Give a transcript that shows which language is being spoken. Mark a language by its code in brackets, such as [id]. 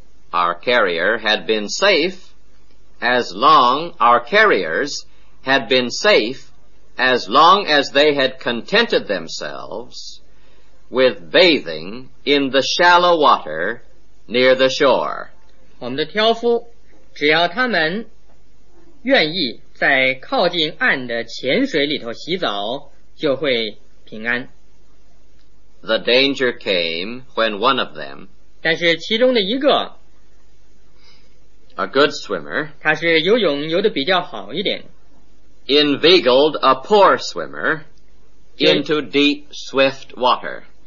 [en] Our carrier had been safe as long our carriers had been safe as long as they had contented themselves with bathing in the shallow water near the shore. [zh] 我们的挑夫只要他们愿意在靠近岸的浅水里头洗澡, 就会平安。 [en] The danger came when one of them, [zh] 但是其中的一个, [en] a good swimmer, [zh] 他是游泳游得比较好一点, [en] inveigled a poor swimmer into deep, swift water.